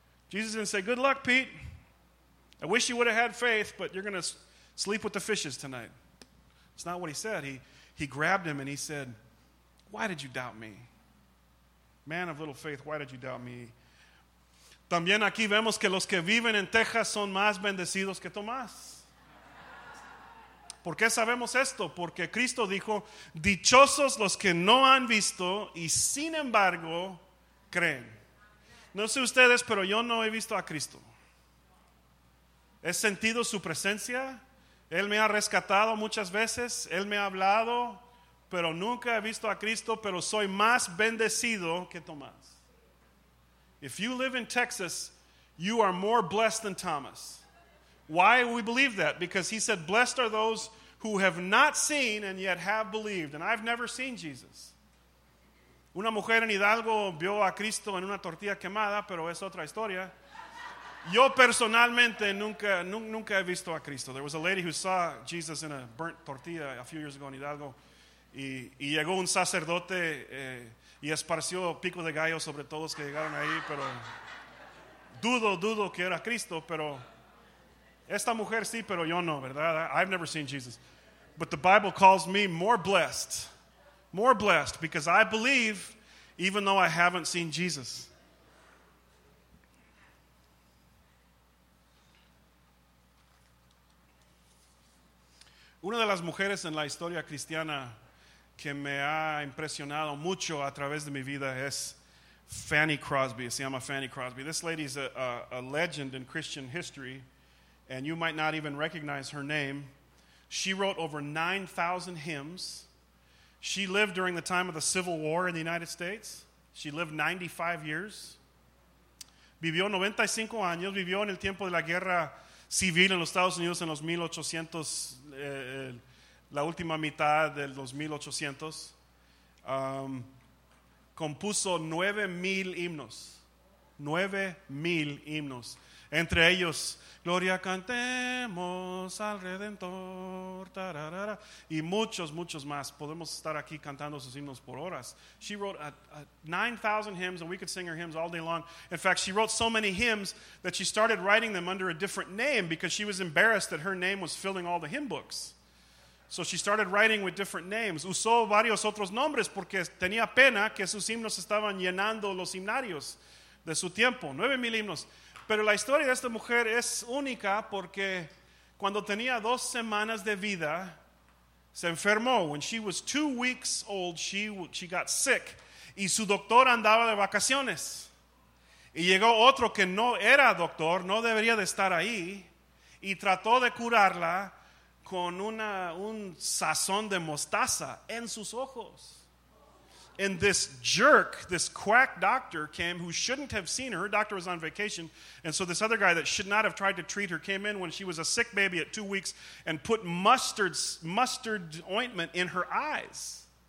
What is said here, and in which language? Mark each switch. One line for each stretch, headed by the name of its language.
English: Jesus didn't say, good luck, Pete. I wish you would have had faith, but you're going to sleep with the fishes tonight. It's not what he said. He grabbed him and he said, why did you doubt me? Man of little faith, why did you doubt me?
Spanish: También aquí vemos que los que viven en Texas son más bendecidos que Tomás. ¿Por qué sabemos esto? Porque Cristo dijo, dichosos los que no han visto y sin embargo creen. No sé ustedes, pero yo no he visto a Cristo. He sentido su presencia. Él me ha rescatado muchas veces. Él me ha hablado, pero nunca he visto a Cristo, pero soy más bendecido que Tomás.
English: If you live in Texas, you are more blessed than Thomas. Why do we believe that? Because he said, blessed are those who have not seen and yet have believed. And I've never seen Jesus.
Spanish: Una mujer en Hidalgo vio a Cristo en una tortilla quemada, pero es otra historia. Yo personalmente nunca he visto a Cristo.
English: There was a lady who saw Jesus in a burnt tortilla a few years ago in Hidalgo.
Spanish: Y llegó un sacerdote y esparció pico de gallo sobre todos que llegaron ahí, pero dudo que era Cristo, pero esta mujer sí, pero yo no, ¿verdad?
English: I've never seen Jesus. But the Bible calls me more blessed, because I believe even though I haven't seen Jesus.
Spanish: Una de las mujeres en la historia cristiana que me ha impresionado mucho a través de mi vida es Fanny Crosby. Se llama Fanny Crosby.
English: This lady's a legend in Christian history, and you might not even recognize her name. She wrote over 9,000 hymns. She lived during the time of the Civil War in the United States. She lived 95 years.
Spanish: Vivió 95 años. Vivió en el tiempo de la guerra civil en los Estados Unidos en los 1800, la última mitad del 2800. Compuso 9,000 himnos. 9,000 himnos. Entre ellos, Gloria cantemos al Redentor, tararara, y muchos, muchos más. Podemos estar aquí cantando sus himnos por horas.
English: She wrote 9,000 hymns, and we could sing her hymns all day long. In fact, she wrote so many hymns that she started writing them under a different name because she was embarrassed that her name was filling all the hymn books. So she started writing with different names.
Spanish: Usó varios otros nombres porque tenía pena que sus himnos estaban llenando los himnarios de su tiempo. 9,000 himnos. Pero la historia de esta mujer es única porque cuando tenía 2 semanas de vida, se enfermó.
English: When she was 2 weeks old, she got sick.
Spanish: Y su doctor andaba de vacaciones. Y llegó otro que no era doctor, no debería de estar ahí. Y trató de curarla con un sazón de mostaza en sus ojos.
English: And this jerk, this quack doctor came who shouldn't have seen her. Her doctor was on vacation. And so this other guy that should not have tried to treat her came in when she was a sick baby at 2 weeks and put mustard ointment in her eyes.